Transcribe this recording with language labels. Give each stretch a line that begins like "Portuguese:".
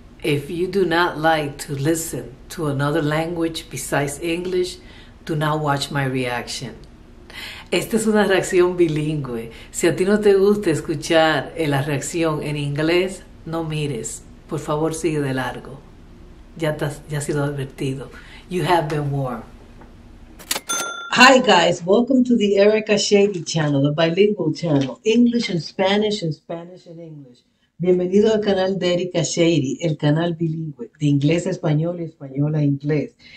English: If you do not like to listen to another language besides English, do not watch my reaction.
Spanish: Esta es una reacción bilingüe. Si a ti no te gusta escuchar la reacción en inglés, no mires. Por favor, sigue de largo. Ya ha sido advertido.
English: You have been warned. Hi guys, welcome to the Erica Shady channel, the bilingual channel, English and Spanish and English.
Spanish: Bienvenido al canal de Erica Shady, el canal bilingüe de inglés a español y español a inglés.